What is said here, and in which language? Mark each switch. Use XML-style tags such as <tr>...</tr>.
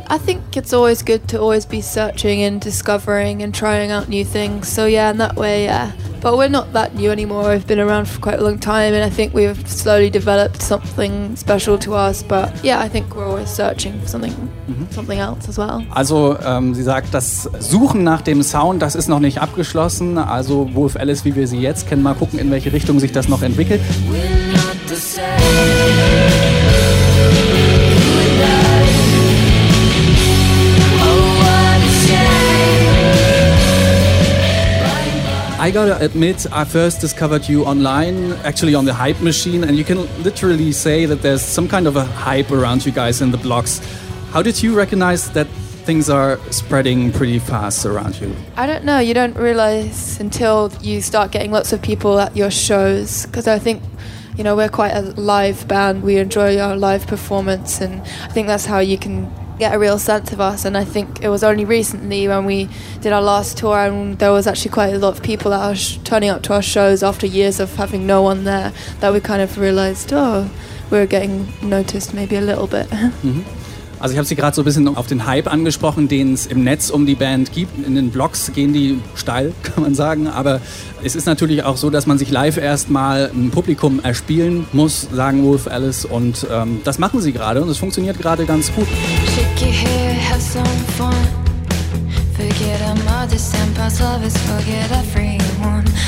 <en>I think it's always good to always be searching and discovering and trying out new things. So yeah, in that way, yeah. But we're not that new anymore. We've been around for quite a long time, and I think we've slowly developed something special to us. But yeah, I think we're always searching for something, something else as well.</en> <de>Also, Sie sagt, das Suchen nach dem Sound, das ist noch nicht abgeschlossen. Also Wolf Alice, wie wir sie jetzt kennen, mal gucken, in welche Richtung sich das noch entwickelt.</de> <en>I gotta admit, I first discovered you online, actually on the Hype Machine, and you can literally say that there's some kind of a hype around you guys in the blogs. How did you recognize that things are spreading pretty fast around you? I don't know, you don't realize until you start getting lots of people at your shows, because I think, you know, we're quite a live band. We enjoy our live performance, and I think that's how you can get a real sense of us. And I think it was only recently when we did our last tour, and there was actually quite a lot of people that are turning up to our shows after years of having no one there, that we kind of realized, oh, we're getting noticed maybe a little bit.</en> <de>Also ich habe Sie gerade so ein bisschen auf den Hype angesprochen, den es im Netz um die Band gibt. In den Blogs gehen die steil, kann man sagen. Aber es ist natürlich auch so, dass man sich live erstmal ein Publikum erspielen muss, sagen Wolf Alice. Und das machen sie gerade, und es funktioniert gerade ganz gut.</de> <en>Shake your hair, have some fun. Forget our mothers and past lovers, forget everyone.</en>